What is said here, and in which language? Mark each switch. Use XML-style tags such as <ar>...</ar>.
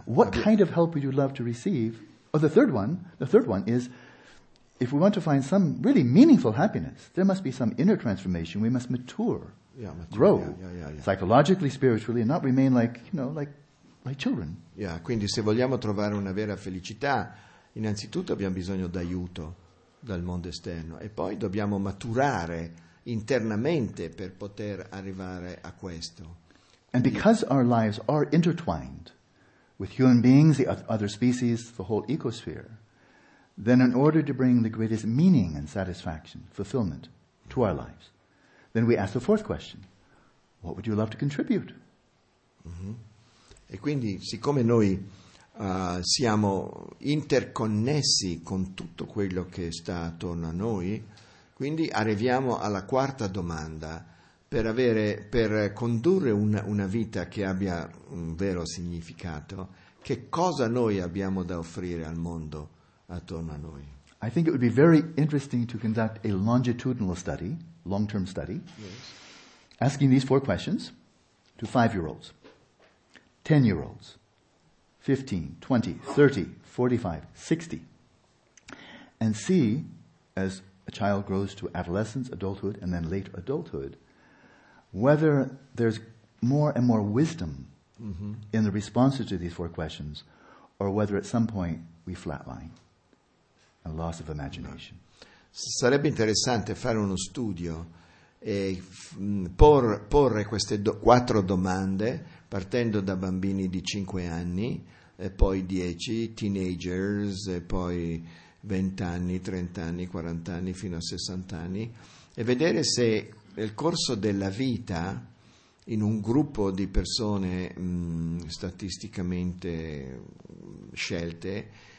<en>What kind of help would you love to receive? Oh, the third one is, if we want to find some really meaningful happiness, there must be some inner transformation. We must mature, grow, psychologically, spiritually, and not remain like children.</en> <it>Yeah, quindi se vogliamo trovare una vera felicità, innanzitutto abbiamo bisogno d'aiuto dal mondo esterno e poi dobbiamo maturare internamente per poter arrivare a questo.</it> <en>And because our lives are intertwined with human beings, the other species, the whole ecosphere, then in order to bring the greatest meaning and satisfaction, fulfillment to our lives, then we ask the fourth question: what would you love to contribute? Mm-hmm.</en> <it>E quindi, siccome noi siamo interconnessi con tutto quello che sta attorno a noi, quindi arriviamo alla quarta domanda: per condurre una vita che abbia un vero significato, che cosa noi abbiamo da offrire al mondo attorno a noi?</it> <en>I think it would be very interesting to conduct a longitudinal study, long-term study, yes, asking these four questions to 5-year-olds, 10-year-olds, 15, 20, 30, 45, 60, and see, as a child grows to adolescence, adulthood, and then later adulthood, whether there's more and more wisdom, mm-hmm, in the responses to these four questions, or whether at some point we flatline, a loss of imagination.</en> <it>Sarebbe interessante fare uno studio e porre queste quattro domande, partendo da bambini di 5 anni, e poi 10, teenagers, e poi 20 anni, 30 anni, 40 anni, fino a 60 anni, e vedere se nel corso della vita, in un gruppo di persone statisticamente scelte,</it>